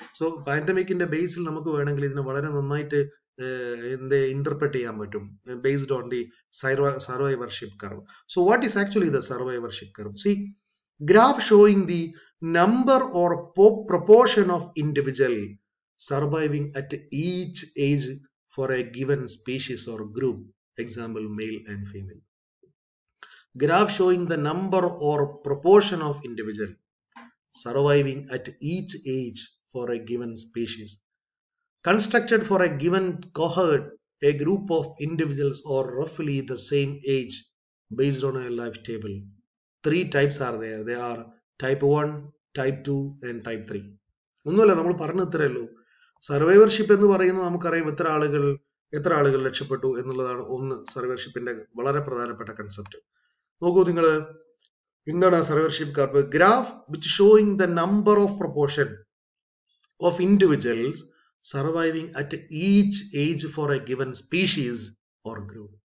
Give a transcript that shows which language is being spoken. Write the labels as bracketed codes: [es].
[ml] So പാൻഡമിക്കിന്റെ ബേസിൽ നമുക്ക് വേണമെങ്കിൽ ഇതിനെ വളരെ നന്നായിട്ട് ഇന്റർപ്രറ്റ് ചെയ്യാൻ പറ്റും [en] Based on the survivorship curve. So what is actually the survivorship curve? See graph showing the number or proportion of individual surviving at each age for a given species or group, example male and female. Graph showing the number or proportion of individual surviving at each age for a given species, constructed for a given cohort, a group of individuals or roughly the same age based on a life table. Three types are there. They are type 1, type 2 and type 3. [ml] ഒന്നുമല്ല നമ്മൾ പറഞ്ഞത്രയല്ലോ, survivorship എന്ന് പറയുന്നത് നമുക്കറിയാം എത്ര ആളുകൾ രക്ഷപ്പെട്ടു എന്നുള്ളതാണ് ഒന്ന്, സർവൈവർഷിപ്പിന്റെ വളരെ പ്രധാനപ്പെട്ട കൺസെപ്റ്റ്. നോക്കൂ നിങ്ങള്, എന്താണ് ആ [en] Survivorship curve? Graph which showing the number of proportion of individuals surviving at each age for a given species or group.